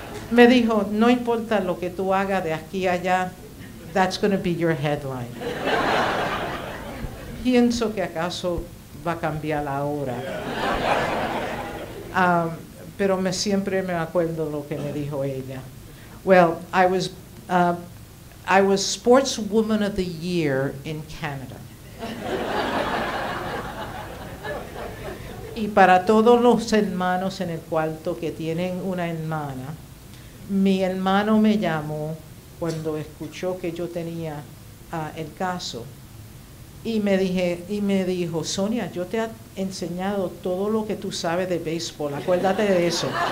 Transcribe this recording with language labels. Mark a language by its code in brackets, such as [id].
[es] Me dijo, no importa lo que tú hagas de aquí a allá, [en] that's going to be your headline. [es] Pienso que acaso va a cambiar la hora. Pero siempre me acuerdo lo que me dijo ella. [en] Well, I was Sportswoman of the Year in Canada. [es] Y para todos los hermanos en el cuarto que tienen una hermana, mi hermano me llamó cuando escuchó que yo tenía el caso y me dijo, Sonia, yo te he enseñado todo lo que tú sabes de béisbol, acuérdate de eso.